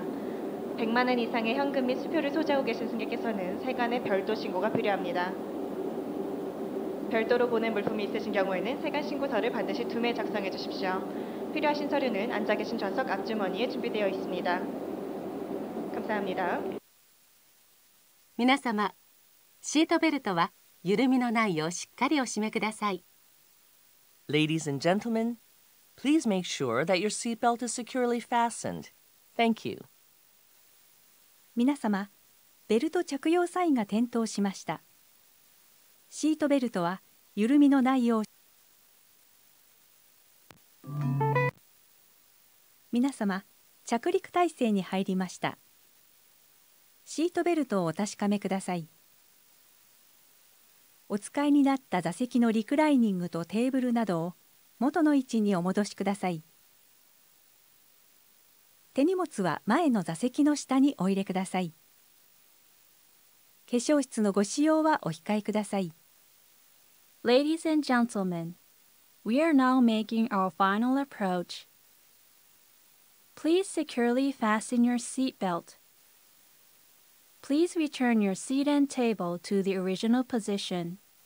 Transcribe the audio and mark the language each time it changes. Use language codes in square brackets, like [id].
[ko] 100만 원 이상의 현금 및 수표를 소지하고 계신 승객께서는 세관에 별도 신고가 필요합니다. 별도로 보낸 물품이 있으신 경우에는 세관 신고서를 반드시 두 매 작성해 주십시오. 필요하신 서류는 앉아 계신 좌석 앞주머니에 준비되어 있습니다. 감사합니다. [ja] 皆様, シートベルトは緩みのないようしっかりお締めください. [en] Ladies and gentlemen, please make sure that your seatbelt is securely fastened. Thank you. [ja] 皆様, ベルト着用サインが点灯しました. シートベルトは緩みのないよう 皆様、着陸態勢に入りました。シートベルトをお確かめください。お使いになった座席のリクライニングとテーブルなどを元の位置にお戻しください。手荷物は前の座席の下にお入れください。化粧室のご使用はお控えください。 [en] Ladies and gentlemen, we are now making our final approach. Please securely fasten your seat belt. Please return your seat and table to the original position.